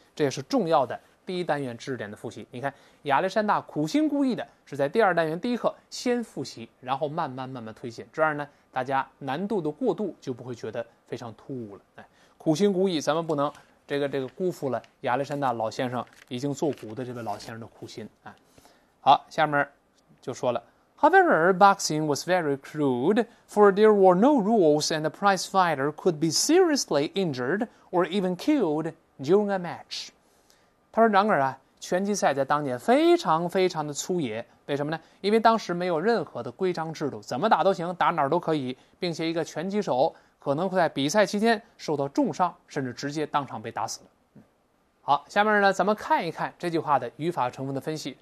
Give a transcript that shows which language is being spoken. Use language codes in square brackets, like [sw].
[zh] 这也是重要的第一单元知识点的复习。你看，亚历山大苦心故意的是在第二单元第一课先复习，然后慢慢推进，这样呢，大家难度的过渡就不会觉得非常突兀了。哎，苦心故意，咱们不能这个辜负了亚历山大老先生已经做古的这位老先生的苦心啊。好，下面就说了。 [en] However, boxing was very crude, for there were no rules and the prize fighter could be seriously injured or even killed during a match. [zh] 他说，然而啊，拳击赛在当年非常非常的粗野，为什么呢？因为当时没有任何的规章制度，怎么打都行，打哪儿都可以，并且一个拳击手可能会在比赛期间受到重伤，甚至直接当场被打死了。好，下面呢，咱们看一看这句话的语法成分的分析。